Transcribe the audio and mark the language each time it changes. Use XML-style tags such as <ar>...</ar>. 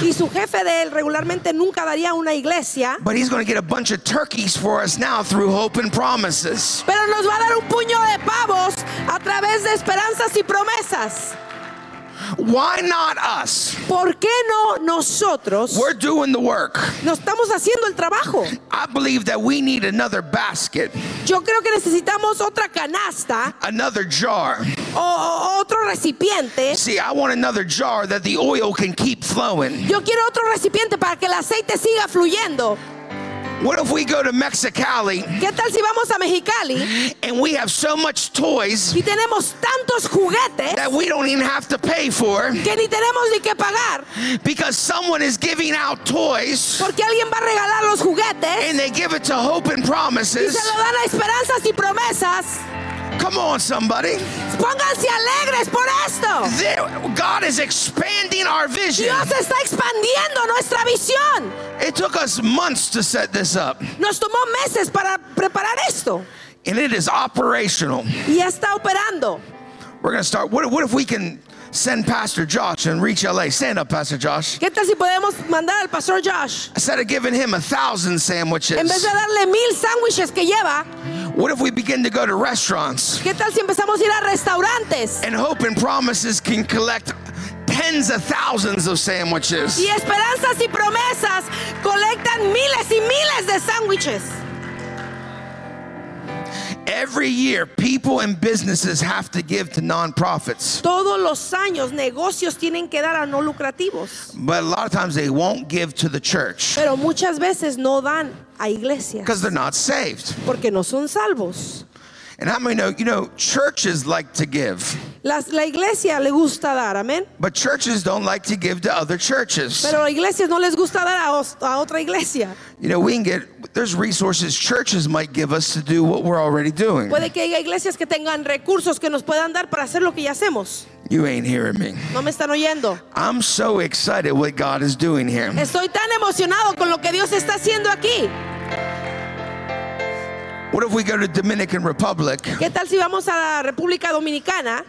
<es>Y su jefe de él regularmente nunca daría a una iglesia.</es> <en>But he's going to get a bunch of turkeys for us now through Hope and Promises.</en> <es>Pero nos va a dar un puño de pavos a través de Esperanzas y Promesas.</es> <en>Why not us?</en> <es>¿Por qué no nosotros?</es> <en>We're doing the work.</en> <es>Nos estamos haciendo el trabajo.</es> <en>I believe that we need another basket.</en> <es>Yo creo que necesitamos otra canasta.</es> <en>Another jar.</en> <es>Otro recipiente.</es> <en>See, I want another jar that the oil can keep flowing.</en> <es>Yo quiero otro recipiente para que el aceite siga fluyendo.</es> <en>What if we go to Mexicali?</en> <es>¿Qué tal si vamos a Mexicali?</es> <en>And we have so much toys.</en> <es>Y tenemos tantos juguetes.</es> <en>That we don't even have to pay for.</en> <es>Que ni tenemos ni que pagar.</es> <en>Because someone is giving out toys.</en> <es>Porque alguien va a regalar los juguetes.</es> <en>And they give it to hope and promises.</en> <es>Y se lo dan a esperanzas y promesas.</es> <en>Come on, somebody.</en> <es>Pónganse alegres por esto.</es> <en>God is expanding our vision.</en> <es>Dios está expandiendo nuestra visión.</es> <en>It took us months to set this up.</en> <es>Nos tomó meses para preparar esto.</es> <en>And it is operational.</en> <es>Y está operando.</es> <en>We're going to start. What if we can send Pastor Josh and reach LA? Stand up, Pastor Josh.</en> <es>¿Qué tal si podemos mandar al Pastor Josh?</es> <en>Instead of giving him 1,000 sandwiches.</en> <es>En vez de darle 1,000 sandwiches que lleva.</es> <en>What if we begin to go to restaurants?</en> <es>¿Qué tal si empezamos a ir a restaurantes?</es> <en>And hope and promises can collect tens of thousands of sandwiches.</en> <es>Y esperanzas y promesas colectan miles y miles de sandwiches.</es> <en>Every year, people and businesses have to give to nonprofits.</en> <es>Todos los años, negocios tienen que dar a no lucrativos.</es> <en>But a lot of times, they won't give to the church.</en> <es>Pero muchas veces no dan a iglesias.</es> <en>Because they're not saved.</en> <es>Porque no son salvos.</es> <en>And how many know, you know, churches like to give.</en> <es>La iglesia le gusta dar, amen.</es> <en>But churches don't like to give to other churches.</en> <es>Pero iglesias no les gusta dar a otra iglesia.</es> <en>You know, we can get, there's resources churches might give us to do what we're already doing.</en> <es>Puede que haya iglesias que tengan recursos que nos puedan dar para hacer lo que ya hacemos.</es> <en>You ain't hearing me.</en> <es>No me están oyendo.</es> <en>I'm so excited what God is doing here.</en> <es>Estoy tan emocionado con lo que Dios está haciendo aquí.</es> <en>What if we go to Dominican Republic?</en> <es>¿Qué tal si vamos a la República Dominicana?</es>